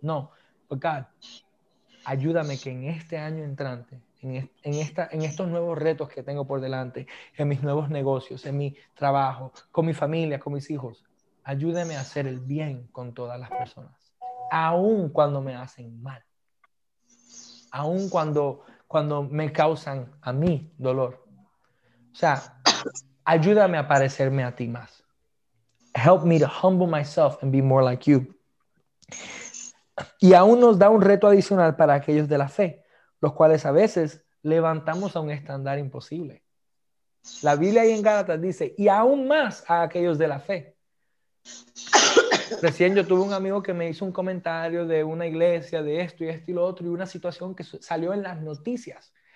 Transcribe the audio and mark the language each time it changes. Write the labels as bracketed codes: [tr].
[en] No, but God, [es] ayúdame que en este año entrante, en estos nuevos retos que tengo por delante, en mis nuevos negocios, en mi trabajo, con mi familia, con mis hijos, ayúdame a hacer el bien con todas las personas, aun cuando me hacen mal, aun cuando me causan a mí dolor. O sea, ayúdame a parecerme a ti más. [en] Help me to humble myself and be more like you. [es] Y aún nos da un reto adicional para aquellos de la fe, los cuales a veces levantamos a un estándar imposible. La Biblia ahí en Gálatas dice, y aún más a aquellos de la fe. Recién yo tuve un amigo que me hizo un comentario de una iglesia, de esto y esto y lo otro, y una situación que salió en las noticias.